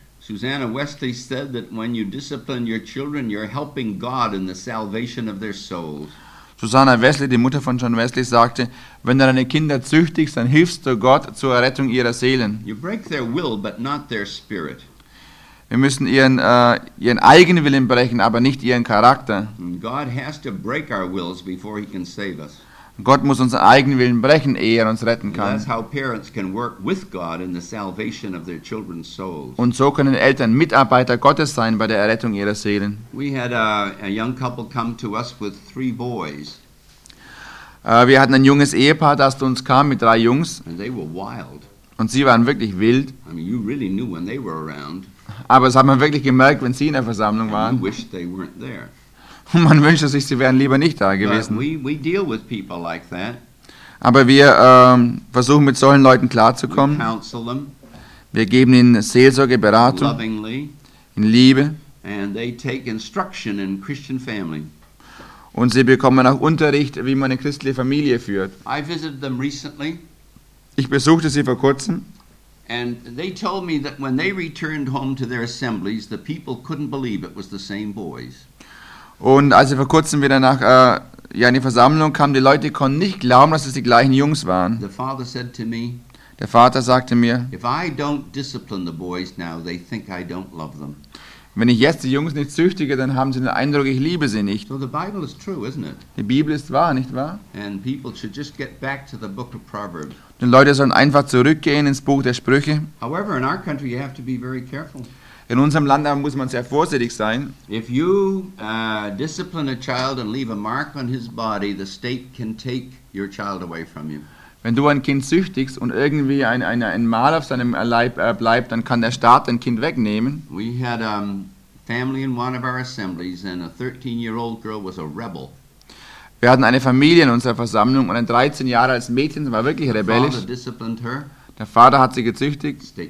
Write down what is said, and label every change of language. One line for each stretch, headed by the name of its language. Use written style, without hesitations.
English: Susanna Wesley said that when you discipline your children, you're helping God in the salvation of their souls.
German: Susanna Wesley, die Mutter von John Wesley, sagte, wenn du deine Kinder züchtigst, dann hilfst du Gott zur Errettung ihrer Seelen.
English: You break their will, but not their spirit.
German: Wir müssen ihren ihren eigenen Willen brechen, aber nicht ihren Charakter.
English: God has to break our wills before he can save us.
German: Gott muss unseren eigenen Willen brechen, ehe er uns retten kann.
English: That's how parents can work with God in the salvation of their children's souls.
German: Und so können Eltern Mitarbeiter Gottes sein bei der Errettung ihrer Seelen.
English: We had a young couple come to us with three boys.
German: Wir hatten ein junges Ehepaar, das zu uns kam mit drei Jungs.
English: And they were wild.
German: Und sie waren wirklich wild.
English: I mean, you really knew when they were around.
German: Aber es hat man wirklich gemerkt, wenn sie in der Versammlung waren.
English: And you wished they weren't there.
German: Man wünschte sich, sie wären lieber nicht da gewesen.
English: We deal with people like that.
German: Aber wir versuchen mit solchen Leuten klarzukommen.
English: We counsel them.
German: Wir geben ihnen Seelsorge, Beratung.
English: Lovingly.
German: In Liebe.
English: And they take instruction in Christian family.
German: Und sie bekommen auch Unterricht, wie man eine christliche Familie führt.
English: I visited them recently.
German: Ich besuchte sie vor kurzem.
English: And they told me that when they returned home to their assemblies, the people couldn't believe it was the same boys.
German: Und als sie vor kurzem wieder nach in die Versammlung kam, die Leute konnten nicht glauben, dass es die gleichen Jungs waren.
English: The father said to me,
German: der Vater sagte mir,
English: if I don't discipline the boys now, they think I don't love them.
German: Wenn ich jetzt die Jungs nicht züchtige, dann haben sie den Eindruck, ich liebe sie nicht.
English: So the Bible is true, isn't it?
German: Die Bibel ist wahr, nicht wahr?
English: And people should just get back to the book of Proverbs.
German: Die Leute sollen einfach zurückgehen ins Buch der Sprüche.
English: However, in our country you have to be very careful.
German: In unserem Land muss man sehr vorsichtig sein.
English: If you discipline a child and leave a mark on his body, the state can take your child away from you.
German: Wenn du ein Kind züchtigst und irgendwie ein Mal auf seinem Leib bleibt, dann kann der Staat dein Kind wegnehmen.
English: We had a family in one of our assemblies and a 13-year-old girl was a rebel.
German: Wir hatten eine Familie in unserer Versammlung und ein 13 Jahre altes Mädchen war wirklich rebellisch. Der Vater hat sie gezüchtigt.